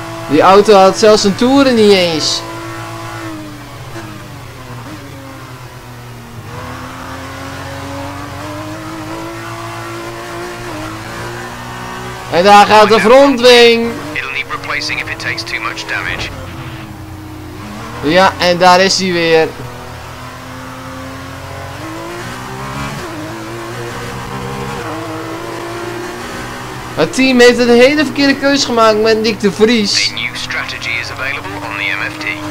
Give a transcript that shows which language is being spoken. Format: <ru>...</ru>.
<nl>Die auto had zelfs een toeren niet eens. En daar gaat de frontwing.</nl> <en>It'll need replacing if it takes too much damage.</en> <nl>Ja, en daar is hij weer. Het team heeft een hele verkeerde keuze gemaakt met Nick de Vries.</nl> <en>The new strategy is available on the MFT.</en>